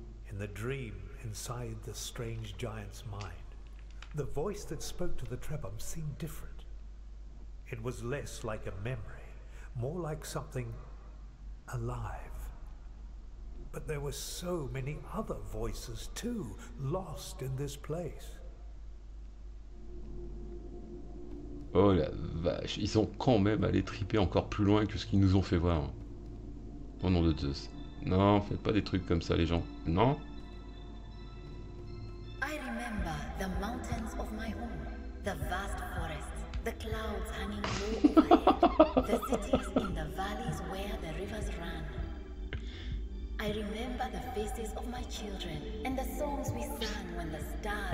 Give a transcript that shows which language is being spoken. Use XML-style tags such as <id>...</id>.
<en>In the dream, inside the strange giant's mind, the voice that spoke to the Trebum seemed different. It was less like a memory, more like something alive. But there were so many other voices too, lost in this place.</en> <fr>Oh la vache, ils sont quand même allés triper encore plus loin que ce qu'ils nous ont fait voir. Au nom de Zeus. Non, faites pas des trucs comme ça, les gens. Non.</fr> <en>I remember the mountains of my home, the vast forests, the clouds hanging low overhead, the cities in the valleys where the rivers ran. I remember the faces of my children and the songs we sang when the stars.</en>